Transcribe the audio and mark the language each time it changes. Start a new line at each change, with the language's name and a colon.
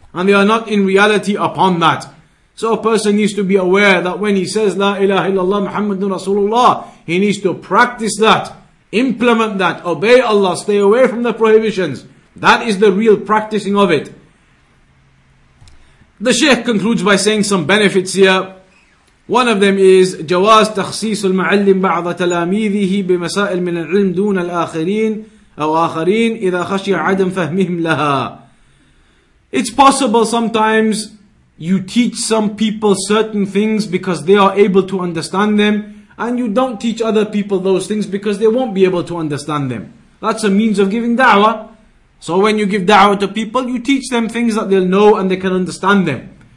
English: And they are not in reality upon that. So a person needs to be aware that when he says La ilaha illallah Muhammadun Rasulullah, he needs to practice that, implement that, obey Allah, stay away from the prohibitions. That is the real practicing of it. The Shaykh concludes by saying some benefits here. One of them is
Arabic: جواز تخصيص المعلم بعض تلاميذه بمسائل من العلم دون الآخرين أو آخرين إذا خشي عدم فهمهم لها.
English: It's possible sometimes you teach some people certain things because they are able to understand them, and you don't teach other people those things because they won't be able to understand them. That's a means of giving da'wah. So when you give da'wah to people, you teach them things that they'll know and they can understand them.